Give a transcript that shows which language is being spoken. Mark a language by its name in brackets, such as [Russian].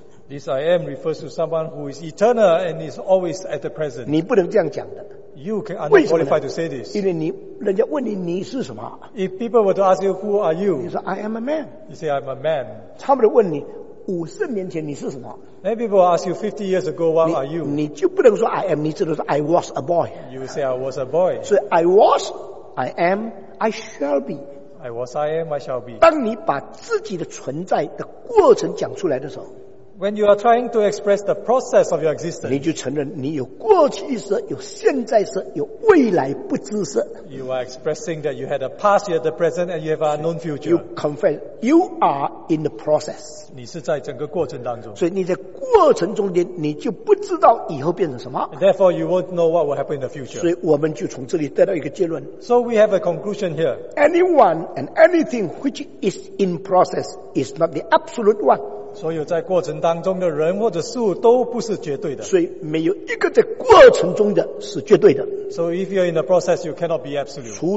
[English] This I am refers to someone who is eternal and is always at the present. [Chinese] 你不能这样讲的。 [English] You can unqualify to say this. [Chinese] 因为你，人家问你你是什么？ [English] If people were to ask you who are you? [Chinese] 你说 [English] I am a man. You say I'm a man. [Chinese] 差不多问你。50年前你是什么? [English] Many people will ask you 50 years ago, what are you? [Chinese] 你就不能说 [English] I am, [Chinese] 你只能说 [English] I was a boy. You say I was a boy. So I was, I am, I shall be. I was, I am, I shall be. [Chinese] 当你把自己的存在的过程讲出来的时候, [English] when you are trying to express the process of your existence, [Chinese] 你就承认你有过去式, 有现在式, 有未来不知式。 [English] You are expressing that you had a past, you had the present, and you have an unknown future. You confess, you are in the process. [Chinese] 你是在整个过程当中。所以你在过程中间, 你就不知道以后变成什么。 [English] Therefore, you won't know what will happen in the future. [Chinese] 所以我们就从这里得到一个结论。 [English] So we have a conclusion here. Anyone and anything which is in process is not the absolute one. [Chinese] 所有在过程当中的人或者事都不是绝对的。所以没有一个在过程中的是绝对的。 [English] So if you're in the process, you cannot be absolute.